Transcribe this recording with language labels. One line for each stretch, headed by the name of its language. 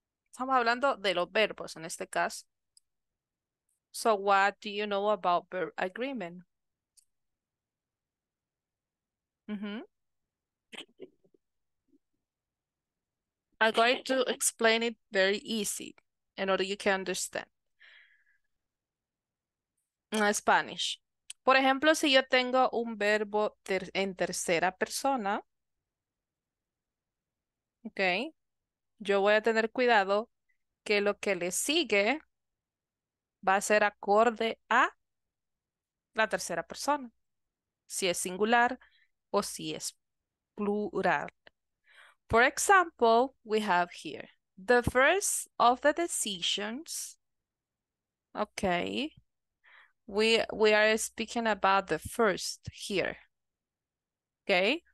Spanish: Estamos hablando de los verbos en este caso.
English: So, what do you know about verb agreement? Mm-hmm. I'm going to explain it very easy in order you can understand. In Spanish.
Spanish: Por ejemplo, si yo tengo un verbo en tercera persona, okay, yo voy a tener cuidado que lo que le sigue va a ser acorde a la tercera persona. Si es singular o si es plural.
English: For example, we have here, the first of the decisions, okay, we are speaking about the first here, okay?